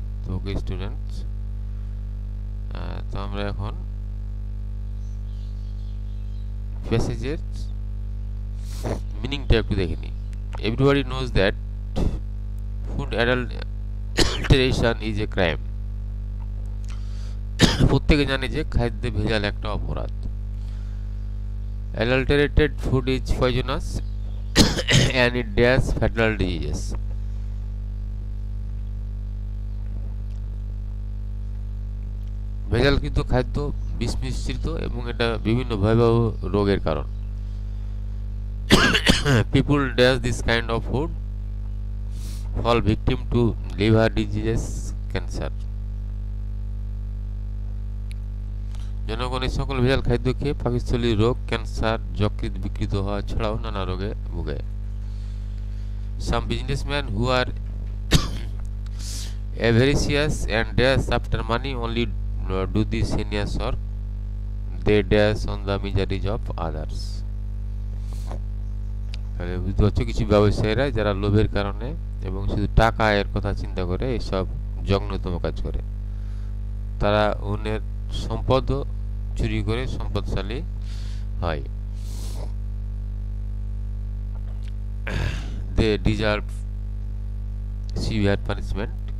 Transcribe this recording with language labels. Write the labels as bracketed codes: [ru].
[bn] তো okay students, তো আমরা এখন প্যাসেজের মিনিংটা একটু দেখে নিই। [en] Everybody knows that food adulteration is a crime. [bn] প্রত্যেকে জানে যে খাদ্যে ভেজাল একটা অপরাধ। [en] Adulterated food is poisonous and it does fatal diseases. [bn] ভেজাল কিন্তু খাদ্য বিষমিশ্রিত এবং এটা বিভিন্ন ভয়াবহ রোগের কারণ। [en] People does this kind of food fall victim to liver diseases, cancer. [bn] জনগণ এই সকল ভেজাল খাদ্য খেয়ে পাকস্থলী রোগ, ক্যান্সার, যকৃত বিকৃত হওয়া ছাড়াও নানা রোগে ভোগে। [en] Some businessmen who are avaricious and dash after money only do this heinous work. They dash on the miseries of others. [bn] তাহলে বুঝতে পারছো, কিছু ব্যবসায়ীরা যারা লোভের কারণে এবং শুধু টাকা আয়ের কথা চিন্তা করে এসব জঘন্যতম কাজ করে, তারা অন্যের সম্পদ চুরি করে সম্পদশালী হয়। [en] They deserve severe punishment.